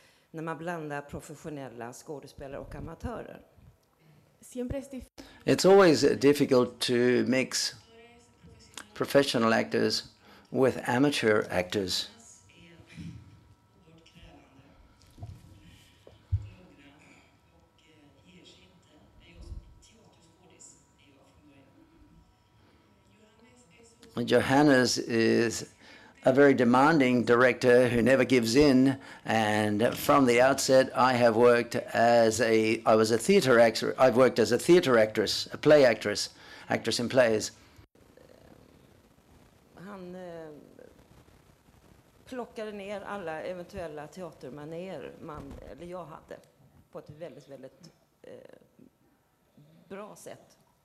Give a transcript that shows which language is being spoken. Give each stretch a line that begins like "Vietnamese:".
Swedish: När man blandar professionella skådespelare och amatörer.
English: It's always difficult to mix professional actors with amateur actors. Johannes is a very demanding director who never gives in, and from the outset I've worked as a theater actress, a play actress, actress in plays.
Swedish: Han plockade ner alla eventuella teatermaner man eller jag hade på ett väldigt väldigt bra sätt.